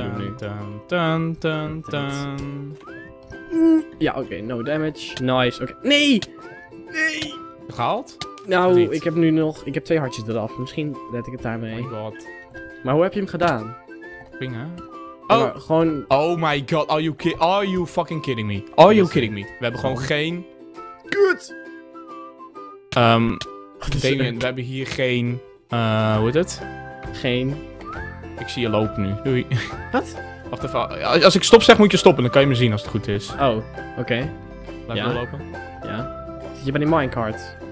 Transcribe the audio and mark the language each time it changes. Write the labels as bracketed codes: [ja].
[nl] dun, doen nu. Dun, dun, dun, dun. Ja, oké. [en] Okay, no damage. Nice. [nl] Oké. Okay. Nee! Nee! Gehaald? Nou, ik heb nu nog... Ik heb 2 hartjes eraf. Misschien red ik het daarmee. [en] Oh my god. [nl] Maar hoe heb je hem gedaan? Ping, hè? Oh, gewoon... [en] Oh my god, are you fucking kidding me? Are you kidding me? [nl] We hebben gewoon geen... Kut! Damien, we hebben hier geen... hoe heet het? Geen. Ik zie je lopen nu. Doei. Wat? Wacht even. Als ik stop zeg, moet je stoppen. Dan kan je me zien als het goed is. Oh, oké. Okay. Blijf wel lopen. Ja. Zit je bij die minecart?